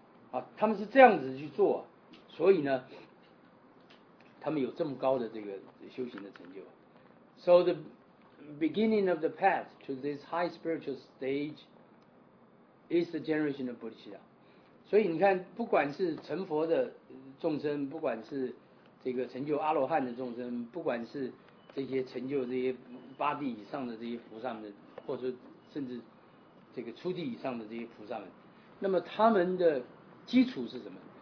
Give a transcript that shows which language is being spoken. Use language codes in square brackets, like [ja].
[zh] 啊，他们是这样子去做，所以呢，他们有这么高的这个修行的成就。 [en] So the beginning of the path to this high spiritual stage. Is the generation of Bodhisattva. [zh] 所以你看，不管是成佛的众生，不管是这个成就阿罗汉的众生，不管是这些成就这些八地以上的这些菩萨们，或者甚至这个初地以上的这些菩萨们，那么他们的基础是什么？